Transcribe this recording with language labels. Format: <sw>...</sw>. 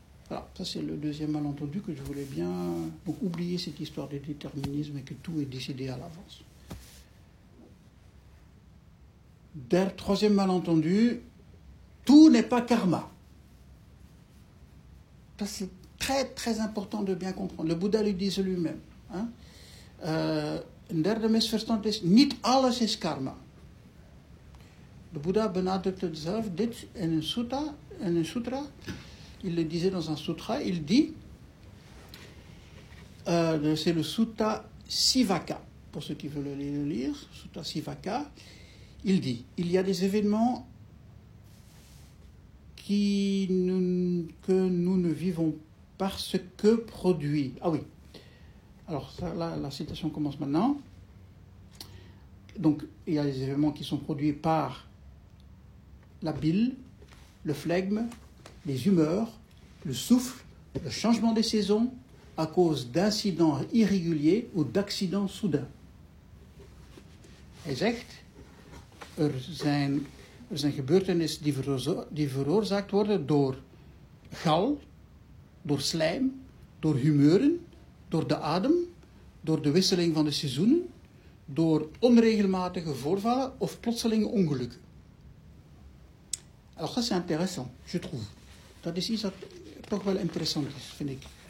<fr>Voilà, ça c'est le deuxième malentendu que je voulais bien oublier cette histoire de déterminisme et que tout est décidé à l'avance. Troisième malentendu, tout n'est pas karma. Ça c'est très très important de bien comprendre. Le Bouddha le dit lui-même.</fr> <nl>Un derde misverstand is, niet alles is karma.</nl> <fr>Le Bouddha</fr> <nl>benadrukt het zelf, dit in een sutta,</nl> <fr>Il le disait dans un sutra, il dit, c'est le Sutta Sivaka, pour ceux qui veulent le lire, Sutta Sivaka, il dit, il y a des événements que nous ne vivons parce que produit. Ah oui, alors ça, là, la citation commence maintenant. Donc, il y a des événements qui sont produits par la bile, le phlegme, les humeurs, le souffle, le changement des saisons à cause d'incidents irréguliers ou d'accidents soudains.</fr> <nl>Hij zegt, er zijn gebeurtenissen die veroorzaakt worden door gal, door slijm, door humeuren, door de adem, door de wisseling van de seizoenen, door onregelmatige voorvallen of plotselinge ongelukken.</nl> <fr>Alors, ça c'est intéressant, je trouve.</fr> <nl>Dat is iets dat toch wel interessant is, vind ik.</nl>